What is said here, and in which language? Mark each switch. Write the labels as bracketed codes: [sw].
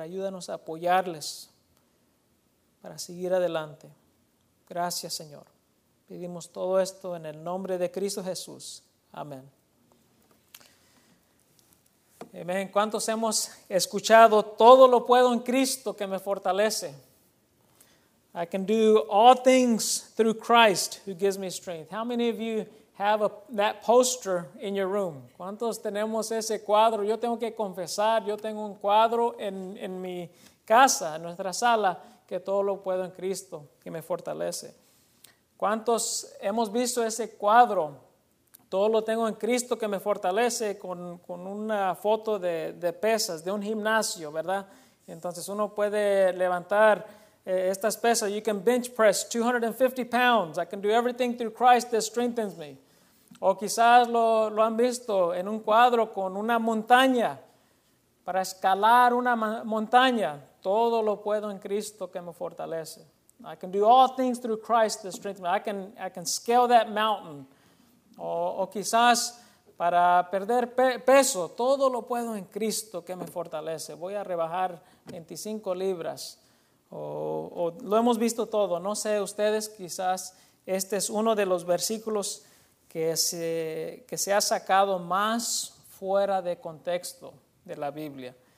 [es] Ayúdanos a apoyarles para seguir adelante. Gracias, Señor. Pedimos todo esto en el nombre de Cristo Jesús. Amén. Amén. ¿Cuántos hemos escuchado todo lo puedo en Cristo que me fortalece? [en] I can do all things through Christ who gives me strength. How many of you have that poster in your room? [es] ¿Cuántos tenemos ese cuadro? Yo tengo que confesar, yo tengo un cuadro en mi casa, en nuestra sala, que todo lo puedo en Cristo que me fortalece. ¿Cuántos hemos visto ese cuadro? Todo lo tengo en Cristo que me fortalece con una foto de pesas, de un gimnasio, ¿verdad? Entonces uno puede levantar estas pesas. [en] You can bench press 250 pounds. I can do everything through Christ that strengthens me. [es] O quizás lo han visto en un cuadro con una montaña. Para escalar una montaña, todo lo puedo en Cristo que me fortalece. [en] I can do all things through Christ that strengthens me. I can scale that mountain. [es] O quizás para perder peso, todo lo puedo en Cristo que me fortalece. Voy a rebajar 25 libras. O lo hemos visto todo. No sé ustedes, quizás este es uno de los versículos que se ha sacado más fuera de contexto de la Biblia.